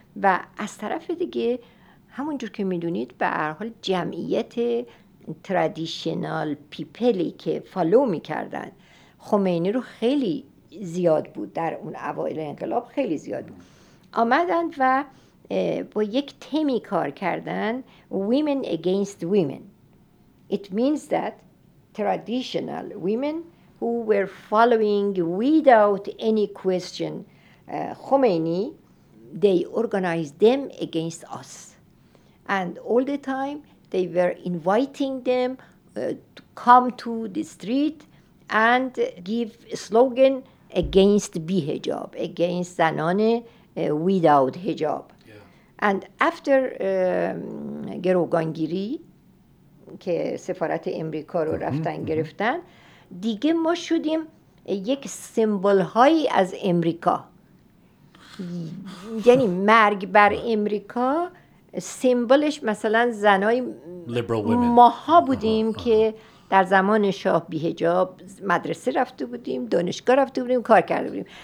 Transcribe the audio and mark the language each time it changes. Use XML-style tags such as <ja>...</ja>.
<fa>و از طرف دیگه همونجور که میدونید به هر حال جمعیت</fa> <en>traditional پیپلی</en> <fa>که فالو میکردن خمینی رو خیلی زیاد بود در اون اوائل انقلاب خیلی زیاد بود. آمدن و با یک تمی کار کردن</fa> <en>Women Against Women. It means that traditional women who were following without any question Khomeini, they organized them against us. And all the time, they were inviting them to come to the street and give a slogan against bi-hijab, against zanane without hijab. Yeah. And after</en> <fa>Gerogangiri, که سفارت امریکا رو رفتن گرفتن دیگه ما شدیم یک سمبل هایی از امریکا. یعنی مرگ بر امریکا سمبلش مثلا زنای ماها بودیم که در زمان شاه بی حجاب مدرسه رفته بودیم، دانشگاه رفته بودیم، کار کرده بودیم.</fa>